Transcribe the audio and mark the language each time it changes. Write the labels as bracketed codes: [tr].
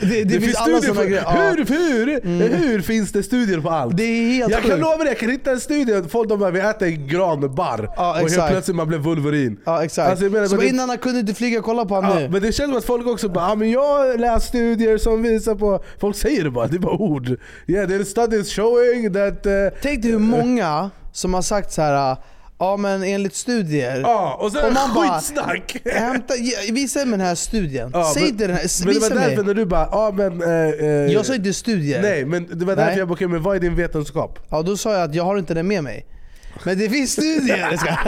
[sv] Det finns alla sådana grejer. Hur finns det studier på allt? Det är helt sjukt. Jag kan lova dig, jag kan hitta en studie, folk de bara, vi äter granbarr. Exakt. Och helt plötsligt man blev Wolverine. Ja, exakt. Alltså, menar, så innan han kunde inte flyga, kolla på han nu. Men det känns som att folk också bara, men jag läser studier som visar på, folk säger det bara, det är bara ord. [en] Yeah, there are studies showing that. [sv] Tänk dig hur många som har sagt så här, men enligt studier. Ja, och sen är det skitsnack. Visa mig den här studien. Säg inte den här, visa mig. Men det var därför mig, när du bara, jag sa inte studier. Nej, men det var därför jag bara, men vad är din vetenskap? Ja, då sa jag att jag har inte det med mig. Men det finns studier.